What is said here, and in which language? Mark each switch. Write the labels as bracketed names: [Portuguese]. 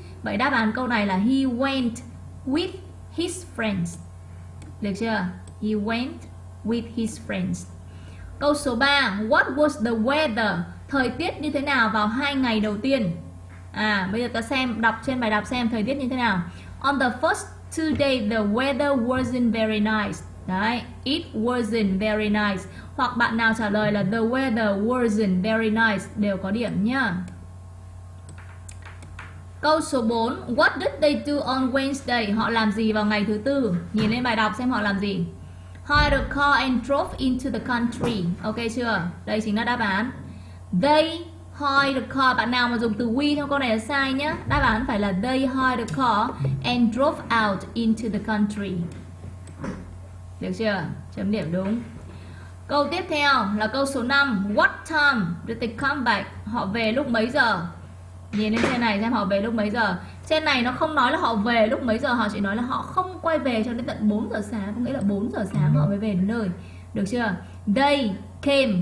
[Vietnamese] Vậy đáp án câu này là [English] he went with his friends. [Vietnamese] Được chưa? [English] He went with his friends. [Vietnamese] Câu số 3, [English] what was the weather? [Vietnamese] Thời tiết như thế nào vào 2 ngày đầu tiên? Bây giờ ta xem đọc trên bài đọc xem thời tiết như thế nào. [English] On the first 2 days the weather wasn't very nice. Đấy, it wasn't very nice. [Vietnamese] Hoặc bạn nào trả lời là [English] the weather wasn't very nice [Vietnamese] đều có điểm nhá. Câu số 4, [English] what did they do on Wednesday? [Vietnamese] Họ làm gì vào ngày thứ tư? Nhìn lên bài đọc xem họ làm gì. [English] Hired a car and drove into the country. [Vietnamese] Ok chưa? Đây chính là đáp án. [English] They hired a car. [Vietnamese] Bạn nào mà dùng từ we trong câu này là sai nhé. Đáp án phải là [English] they hired a car and drove out into the country. [Vietnamese] Được chưa? Chấm điểm đúng. Câu tiếp theo là câu số 5, [English] what time did they come back? [Vietnamese] Họ về lúc mấy giờ? Nhìn lên trên này xem họ về lúc mấy giờ. Trên này nó không nói là họ về lúc mấy giờ, họ chỉ nói là họ không quay về cho đến tận 4 giờ sáng. Có nghĩa là 4 giờ sáng họ mới về đến nơi. Được chưa? [English] They came.